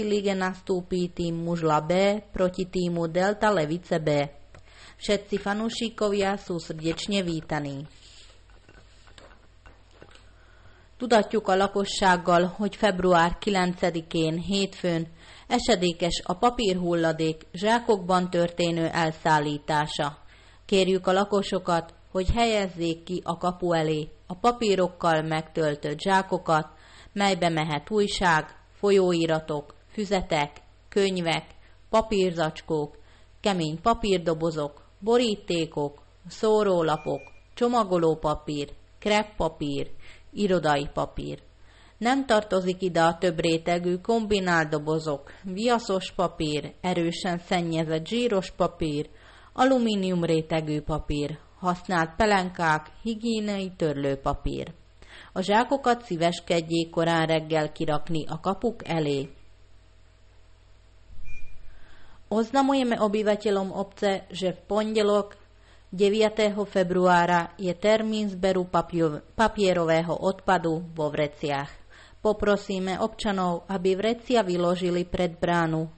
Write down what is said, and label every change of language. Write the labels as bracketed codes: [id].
[sk] lige nastúpi tým Mužla B proti týmu Delta Levice B. Všetci fanúšikovia sú srdečne vítaní. [hu] Tudatjuk a lakossággal, hogy február 9-én hétfőn esedékes a papírhulladék zsákokban történő elszállítása. Kérjük a lakosokat, hogy helyezzék ki a kapu elé a papírokkal megtöltött zsákokat, melybe mehet újság, folyóiratok, füzetek, könyvek, papírzacskók, kemény papírdobozok, borítékok, szórólapok, csomagolópapír, kreppapír, irodai papír. Nem tartozik ide a több rétegű kombinált dobozok, viaszos papír, erősen szennyezett zsíros papír, alumínium rétegű papír, használt pelenkák, higiéniai törlőpapír. A zsákokat szíveskedjék korán reggel kirakni a kapuk elé. [sk] Oznamujeme obyvateľom obce, že v pondelok 9. februára je termín zberu papierového odpadu vo vreciach. Poprosíme občanov, aby vrecia vyložili pred bránu.